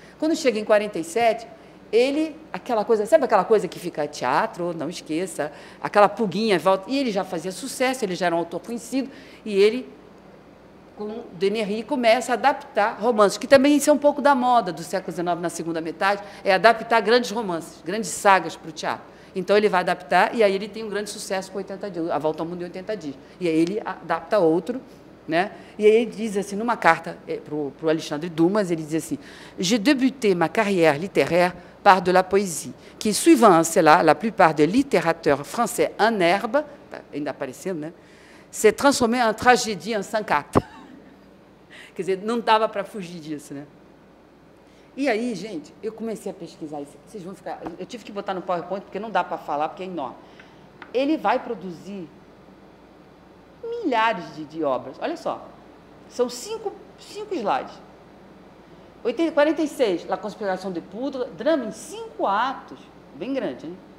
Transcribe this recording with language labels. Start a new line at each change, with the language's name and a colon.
Portuguese: Quando chega em 47, ele, aquela coisa, sabe aquela coisa que fica teatro, não esqueça, aquela pulguinha volta, e ele já fazia sucesso, ele já era um autor conhecido, e ele, com Denery, começa a adaptar romances, que também isso é um pouco da moda do século XIX, na segunda metade, é adaptar grandes romances, grandes sagas para o teatro. Então, ele vai adaptar, e aí ele tem um grande sucesso com 80 dias, A Volta ao Mundo em 80 dias. E aí ele adapta outro, né? E aí ele diz assim,
French: numa carta para o Alexandre Dumas, ele diz assim, j'ai débuté ma carrière littéraire par de la poésie, qui suivant, c'est là, la plupart des littérateurs français en herbe,
Portuguese: tá ainda aparecendo, né?
French: S'est transformé en tragédie en cinq actes.
Portuguese: Quer dizer, não dava para fugir disso, né? E aí, gente, eu comecei a pesquisar isso. Vocês vão ficar... Eu tive que botar no PowerPoint, porque não dá para falar, porque é enorme. Ele vai produzir milhares de obras. Olha só. São cinco slides. 46, La Conspiração de Poudre, drama em 5 atos. Bem grande, hein?